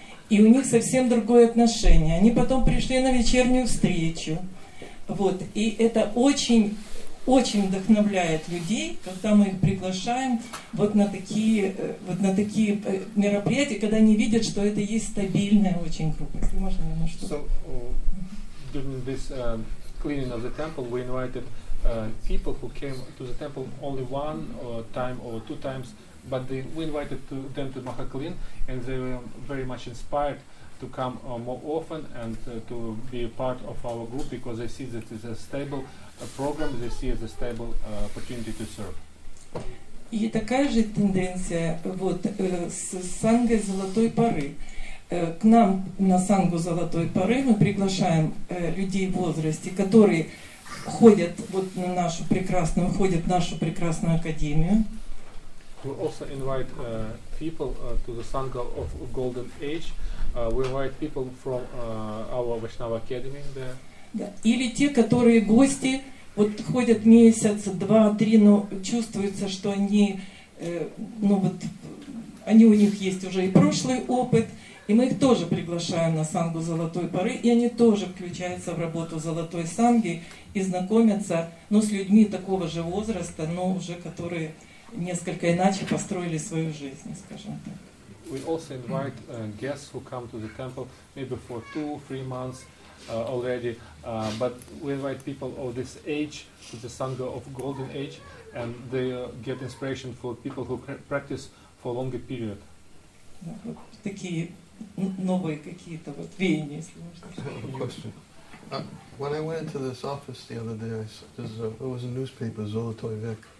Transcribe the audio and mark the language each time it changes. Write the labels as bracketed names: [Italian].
[Russian] И у них совсем другое отношение. Они потом пришли на вечернюю встречу. Вот. И это очень, очень вдохновляет людей, когда мы их приглашаем на такие мероприятия, когда они видят, что это есть стабильная очень группа. Если можно немножко. [English] So, during this cleaning of the temple, we invited people who came to the temple only one time or two times, but we invited them to Махаклин, and they were very much inspired to come more often and to be a part of our group, because they see that it's a stable program, they see it's a stable opportunity to serve. [Russian] И такая же тенденция с Сангой Золотой Поры. К нам на Сангу Золотой Поры мы приглашаем людей в возрасте, которые ходят на нашу прекрасную, ходят в нашу прекрасную академию. [English] We also invite people to the Sangha of Golden Age. We invite people from our Vaishnava Academy there. [Russian] Да. Или те, которые гости, ходят месяц, два, три, но чувствуется, что они, они у них есть уже и прошлый опыт, И мы их тоже приглашаем на сангу Золотой Поры, и они тоже включаются в работу Золотой Санги и знакомятся, ну, с людьми такого же возраста, но уже которые несколько иначе построили свою жизнь, скажем так. [English] We also invite guests who come to the temple maybe for 2-3 months already, but we invite people of this age to the Sangha of Golden Age, and they get inspiration for people who practice for a longer period. [Russian] Такие новые какие-то вот веяния, если можно. [English] When I went into this office the other day, there was a newspaper, Золотой век.